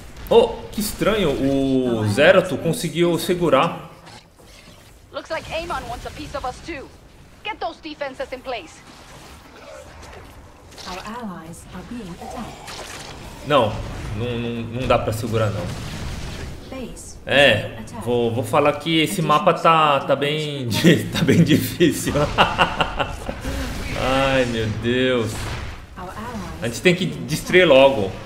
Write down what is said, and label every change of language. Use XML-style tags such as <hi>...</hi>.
<pt>Oh, que estranho, o Zerato conseguiu segurar.</pt> <en>Looks like Amon wants a piece of us too. Get those defenses in place. Our allies are being attacked.</en> <pt>Não, não dá pra segurar não. É, vou falar que esse mapa tá bem difícil. Ai, meu Deus. A gente tem que destruir logo.</pt>